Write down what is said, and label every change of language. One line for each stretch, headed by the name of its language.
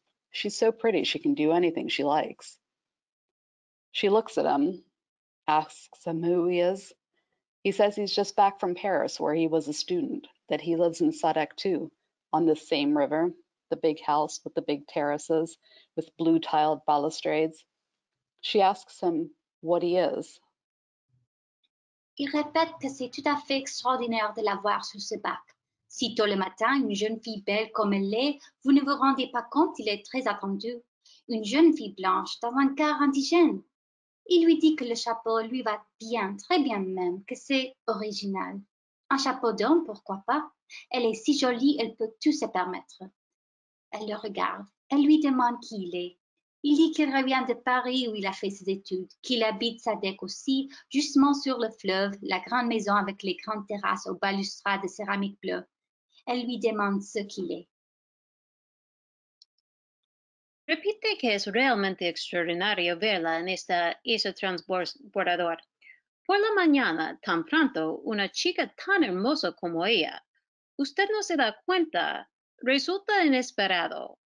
English: She's so pretty, she can do anything she likes. She looks at him, asks him who he is. He says he's just back from Paris, where he was a student, that he lives in Sadek too, on the same river, the big house with the big terraces, with blue-tiled balustrades. She asks him what he is.
French: Il répète que c'est tout à fait extraordinaire de la voir sur ce bac. Si tôt le matin, une jeune fille belle comme elle l'est, vous ne vous rendez pas compte, il est très attendu. Une jeune fille blanche dans un quart indigène. Il lui dit que le chapeau lui va bien, très bien même, que c'est original. Un chapeau d'homme, pourquoi pas? Elle est si jolie, elle peut tout se permettre. Elle le regarde. Elle lui demande qui il est. Il dit qu'il revient de Paris où il a fait ses études, qu'il habite Sadek aussi, justement sur le fleuve, la grande maison avec les grandes terrasses aux balustrades de céramique bleue. Elle lui demande ce qu'il est.
Spanish: Repite que es realmente extraordinario verla en ese transbordador. Por la mañana, tan pronto, una chica tan hermosa como ella. Usted no se da cuenta. Resulta inesperado.